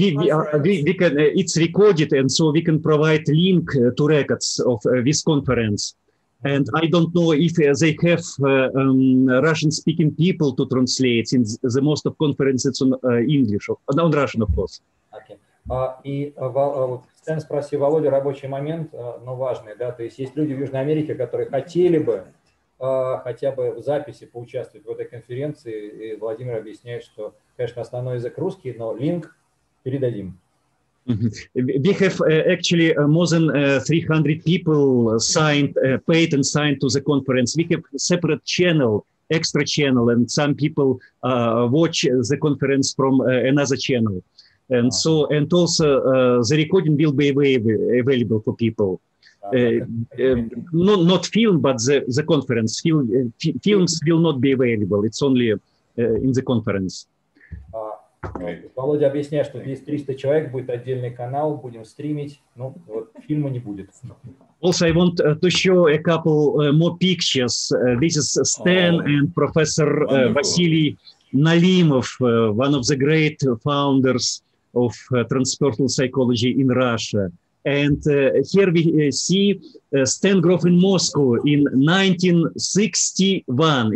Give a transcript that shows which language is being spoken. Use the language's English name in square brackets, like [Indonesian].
[English] It's recorded, and so we can provide link to records of this conference. And I don't know if they have Russian-speaking people to translate, since the most of conferences on English, on Russian, of course. Okay. [Russian] Стэн спросил Володя, рабочий момент, но важный, да, то есть люди в Южной Америке, которые хотели бы хотя бы в записи поучаствовать в этой конференции, и Владимир объясняет, что, конечно, основной язык русский, но линк передадим. [English] We have actually more than 300 people signed, paid and signed to the conference. We have separate channel, extra channel, and some people watch the conference from another channel. And so, and also the recording will be available for people. Not film, but the conference. Films will not be available. It's only in the conference. Okay. [Russian] Володя объясняет, что здесь 300 человек, будет отдельный канал, будем стримить, но вот, фильма не будет. [English] Also, I want to show a couple more pictures. This is Stan and Professor Василий Налимов, one of the great founders of transpersonal psychology in Russia. And here we see Stan Grof in Moscow in 1961.